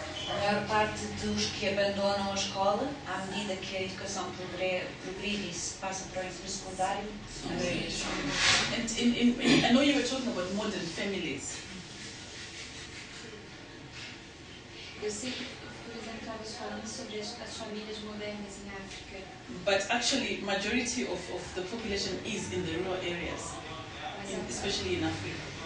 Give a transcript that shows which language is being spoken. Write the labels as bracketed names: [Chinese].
[Portuguese] A maior parte dos que abandonam a escola à medida que a educação progride e passa para o ensino secundário são mulheres. [English] And in, I know you were talking about modern families. [Portuguese] Eu sei que, por exemplo, estavas falando sobre as famílias modernas em África. [English] But actually, majority of the population is in the rural areas, especially in Africa.